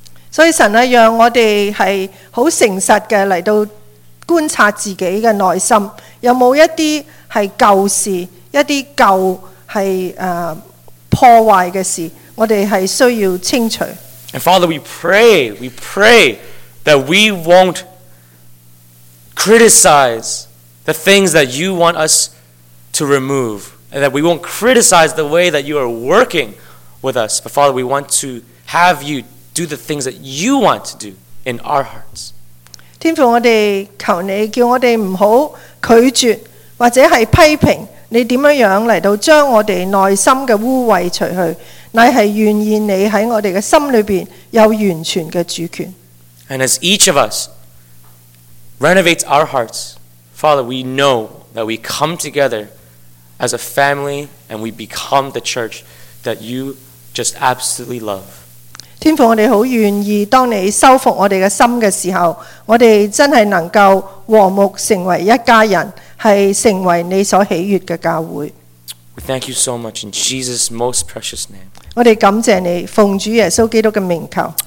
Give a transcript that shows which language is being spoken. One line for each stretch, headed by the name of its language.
Chinese: 所以神啊，让我们是很诚实的来到观察自己的内心，有没有一些是旧事，一些旧是破坏的事，我们是需要清除。
English: And Father, we pray that we won't criticize the things that you want us to remove, and that we won't criticize the way that you are working with us, but Father, we want to have you do the things that you want to do in our hearts.
Chinese: 天父，我们求你叫我们不要拒绝或者是批评你怎么样来到将我们内心的污秽除去，乃是愿意你在我们的心里面有完全的主权。
English: And as each of us renovates our hearts,Father, we know that we come together as a family and we become the church that you just absolutely love.
Chinese: 天父，我们很愿意当你修复我们的心的时候，我们真的能够和睦成为一家人，是成为你所喜悦的教会。
English: We thank you so much in Jesus' most precious name.
Chinese: 我们感谢你，奉主耶稣基督的名求。